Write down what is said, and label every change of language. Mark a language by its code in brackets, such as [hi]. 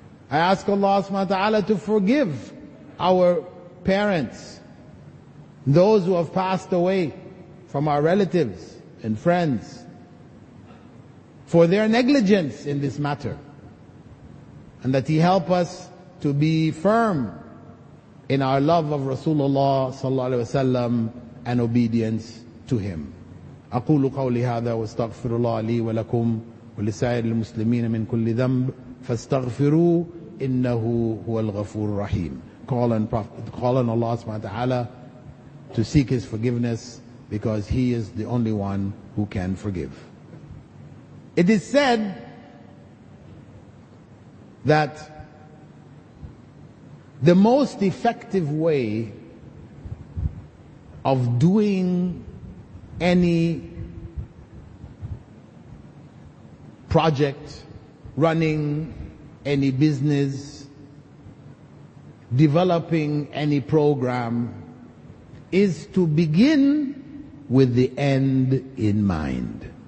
[en] I ask Allah subhanahu wa ta'ala to forgive our parents, those who have passed away from our relatives and friends, for their negligence in this matter. And that he help us to be firm in our love of Rasulullah sallallahu alaihi wasallam and obedience to him. [ar] أقول قولي هذا واستغفر الله لي ولكم ولسائر المسلمين من كل ذنب فاستغفروا إنه هو الغفور الرحيم. [en] Call on Allah subhanahu wa ta'ala to seek his forgiveness, because he is the only one who can forgive. It is said that the most effective way of doing any project, running any business, developing any program, is to begin with the end in mind.